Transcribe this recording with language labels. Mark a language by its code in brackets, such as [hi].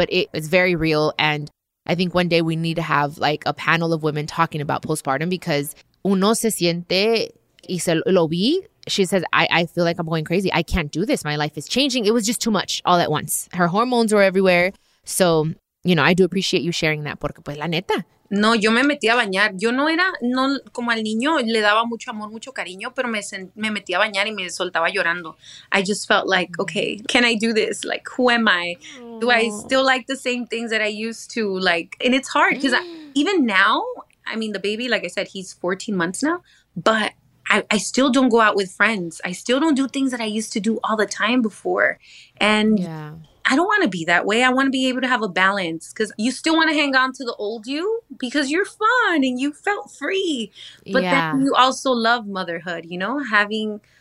[en] But it's very real. And I think one day we need to have like a panel of women talking about postpartum because [es] uno se siente y se lo vi. [en] She says, I feel like I'm going crazy. I can't do this. My life is changing. It was just too much all at once. Her hormones were everywhere. So, you know, I do appreciate you sharing that. [es] Porque pues la neta. No, yo me metí a bañar. Yo no era, no, como al niño, le daba mucho amor, mucho cariño, pero me metí a bañar y me soltaba llorando. [en] I just felt like, okay, can I do this? Like, who am I? Do I still like the same things that I used to? Like, and it's hard because even now, I mean, the baby, like I said, he's 14 months now, but I still don't go out with friends. I still don't do things that I used to do all the time before. And I don't want to be that way. I want to be able to have a balance because you still want to hang on to the old you because you're fun and you felt free. But then you also love motherhood, you know, having